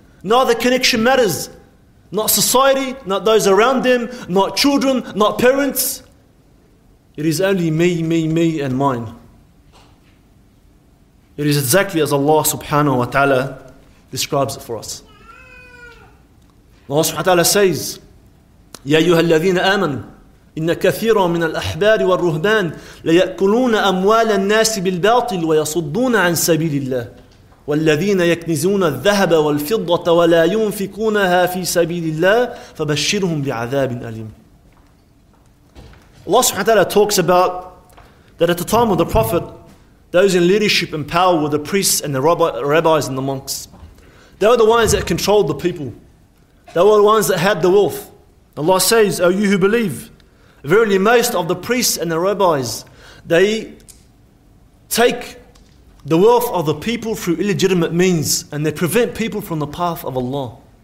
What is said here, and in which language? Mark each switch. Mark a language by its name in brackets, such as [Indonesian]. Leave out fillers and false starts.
[English] Neither connection matters. Not society, not those around them, not children, not parents. It is only me, and mine. It is exactly as Allah subhanahu wa ta'ala describes it for us. Allah subhanahu wa ta'ala says, [Arabic] يَا أَيُّهَا الَّذِينَ آمَنُوا إِنَّ كَثِيرًا مِنَ الْأَحْبَارِ وَالرُّهْبَانِ لَيَأْكُلُونَ أَمْوَالَ النَّاسِ بِالْبَاطِلِ وَيَصُدُّونَ عَنْ سَبِيلِ اللَّهِ والذين يكنزون الذهب والفضة ولا ينفقونها في سبيل الله فبشرهم بعذاب أليم. [English] Allah subhanahu wa ta'ala talks about that at the time of the Prophet, those in leadership and power were the priests and the rabbis and the monks. They were the ones that controlled the people. They were the ones that had the wealth. Allah says, O you who believe, verily most of the priests and the rabbis, they take the wealth of the people through illegitimate means, and they prevent people from the path of Allah.